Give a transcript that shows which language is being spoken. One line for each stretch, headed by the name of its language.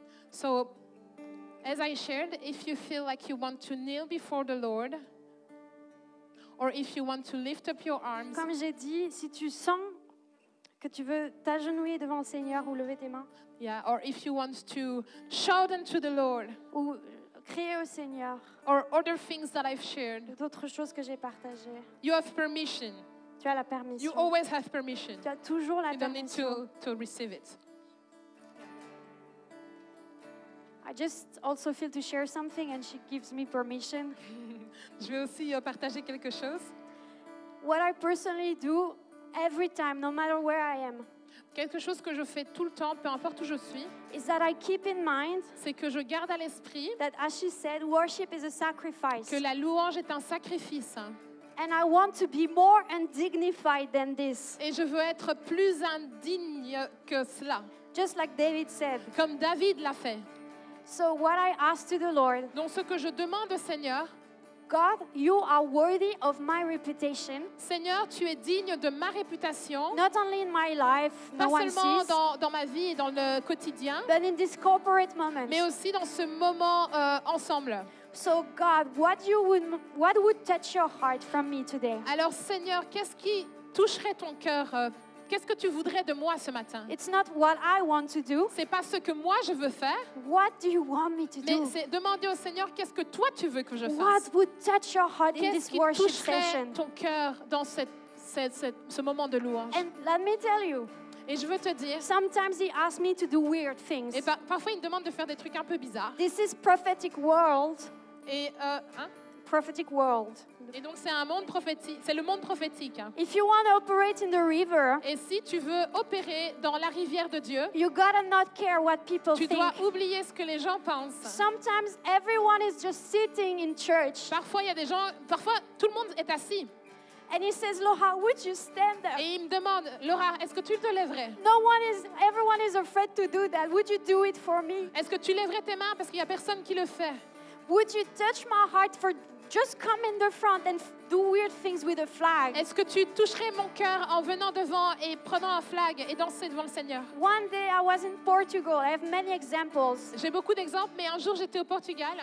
English: So, as I shared, if you feel like you want to kneel before the Lord, or if you want to lift up your arms,
French: comme j'ai dit, si tu sens que tu veux t'agenouiller devant le Seigneur ou lever tes mains,
English: yeah, or if you want to shout unto the Lord,
French: ou crier au Seigneur,
English: or other things that I've shared,
French: d'autres choses que j'ai partagées,
English: you have permission.
French: Tu as la permission.
English: You always have permission.
French: Tu as toujours la
English: you don't
French: permission.
English: Need to receive it. I just also feel to share something and she gives me permission.
French: Je vais aussi partager quelque chose.
English: What I personally do every time, no matter where I am.
French: Quelque chose que je fais tout le temps, peu importe où je suis.
English: Is that I keep in mind,
French: c'est que je garde à l'esprit
English: that, as she said, worship is a sacrifice.
French: Que la louange est un sacrifice.
English: And I want to be more undignified than this.
French: Et je veux être plus indigne que cela.
English: Just like David said.
French: Comme David l'a fait.
English: So what I ask to the Lord,
French: donc ce que je demande au Seigneur,
English: God, you are worthy of my reputation.
French: Seigneur, tu es digne de ma réputation.
English: Not only in my life,
French: pas
English: no
French: seulement
English: one sees,
French: dans ma vie et dans le quotidien,
English: but in this corporate moment.
French: Mais aussi dans ce moment ensemble.
English: So God, what would touch your heart from me today?
French: Alors Seigneur, qu'est-ce qui toucherait ton cœur? Qu'est-ce que tu voudrais de moi ce matin?
English: It's not what I want to do.
French: C'est pas ce que moi je veux faire.
English: What do you want me to do?
French: Mais c'est demander au Seigneur qu'est-ce que toi tu veux que je fasse?
English: What would touch your heart in this worship session?
French: Qu'est-ce qui toucherait ton cœur dans ce moment de louange?
English: And let me tell you.
French: Et je veux te dire.
English: Sometimes he asks me to do weird things.
French: Et parfois il me demande de faire des trucs un peu bizarres.
English: This is prophetic world.
French: Et
English: prophetic world.
French: Et donc c'est un monde prophétique, c'est le monde prophétique.
English: If you want to operate in the river,
French: et si tu veux opérer dans la rivière de Dieu,
English: you gotta not care what people
French: tu dois
English: think.
French: Oublier ce que les gens pensent.
English: Sometimes everyone is just sitting in church.
French: Parfois il y a des gens, parfois tout le monde est assis.
English: And he says, Laura, would you stand up?
French: Et il me demande, Laura, est-ce que tu te lèverais?
English: No one is, everyone is afraid to do that. Would you do it for me?
French: Est-ce que tu lèverais tes mains parce qu'il y a personne qui le fait?
English: Would you touch my heart for just come in the front and do weird things with a flag?
French: Est-ce que tu toucherais mon cœur en venant devant et prenant un flag et danser devant le Seigneur?
English: One day I was in Portugal. I have many examples.
French: J'ai beaucoup d'exemples, mais un jour j'étais au Portugal.